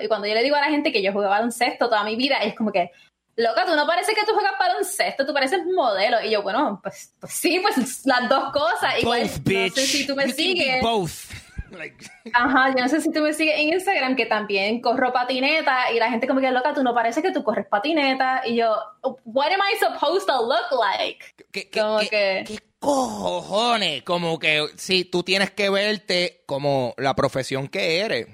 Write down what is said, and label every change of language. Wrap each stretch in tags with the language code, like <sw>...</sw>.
<es>Y cuando yo le digo a la gente que yo jugué baloncesto toda mi vida, es como que... Loca, tú no pareces que tú juegas baloncesto, tú pareces modelo. Y yo, bueno, pues sí, pues las dos cosas. Igual,</es> <en>both, bitch.</en> <es>No sé si tú me</es> <en>you</en> <es>sigues.</es> <en>Can be both.</en> <es>Ajá, yo no sé si tú me sigues en Instagram, que también corro patineta. Y la gente, como que, loca, tú no pareces que tú corres patineta. Y yo,</es> <en>what am I supposed to look like?</en> <es>¿Qué cojones? Como que, sí, tú tienes que verte como la profesión que eres.</es>